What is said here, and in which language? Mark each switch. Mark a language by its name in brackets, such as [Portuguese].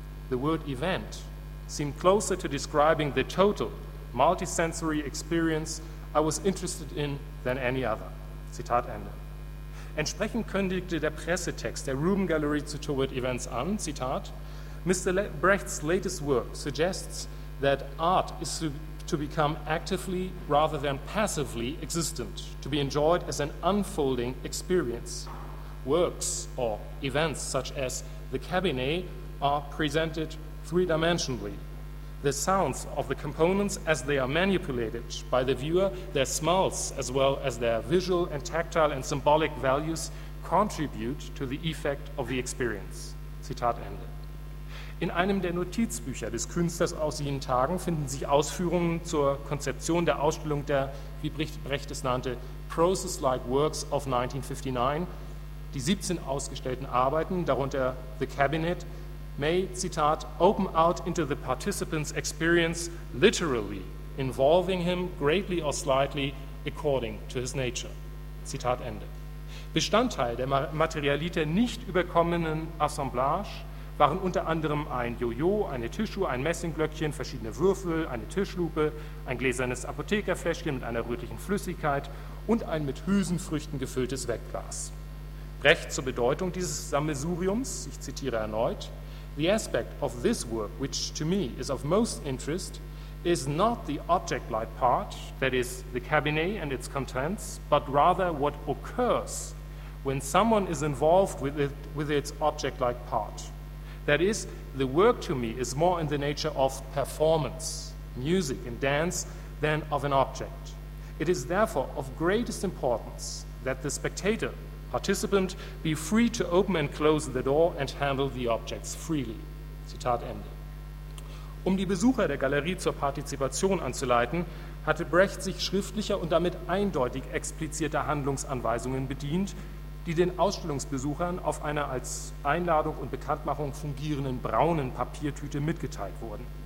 [English] The word event seemed closer to describing the total multisensory experience I was interested in than any other. [German] Zitat Ende. Entsprechend kündigte der Pressetext der Rubin Gallery zu Toward Events an, Zitat, Mr. [English] Brecht's latest work suggests that art is to become actively rather than passively existent, to be enjoyed as an unfolding experience. Works or events such as the cabinet are presented three-dimensionally. The sounds of the components as they are manipulated by the viewer, their smells as well as their visual and tactile and symbolic values contribute to the effect of the experience. [German] Zitat Ende. In einem der Notizbücher des Künstlers aus jenen Tagen finden sich Ausführungen zur Konzeption der Ausstellung der, wie Brecht es nannte, Process-like Works of 1959. Die 17 ausgestellten Arbeiten, darunter [English] The Cabinet, may, [German] Zitat, [English] open out into the participant's experience literally, involving him greatly or slightly according to his nature. [German] Zitat Ende. Bestandteil der Materialität nicht überkommenen Assemblage waren unter anderem ein Jojo, eine Tischuhr, ein Messingglöckchen, verschiedene Würfel, eine Tischlupe, ein gläsernes Apothekerfläschchen mit einer rötlichen Flüssigkeit und ein mit Hülsenfrüchten gefülltes Weckglas. Brecht zur Bedeutung dieses Sammelsuriums, ich zitiere erneut, [English] The aspect of this work, which to me is of most interest, is not the object-like part, that is, the cabinet and its contents, but rather what occurs when someone is involved with it, with its object-like part. That is, the work to me is more in the nature of performance, music and dance, than of an object. It is therefore of greatest importance that the spectator, participant, be free to open and close the door and handle the objects freely. [German] Zitat Ende. Um die Besucher der Galerie zur Partizipation anzuleiten, hatte Brecht sich schriftlicher und damit eindeutig explizierter Handlungsanweisungen bedient, die den Ausstellungsbesuchern auf einer als Einladung und Bekanntmachung fungierenden braunen Papiertüte mitgeteilt wurden.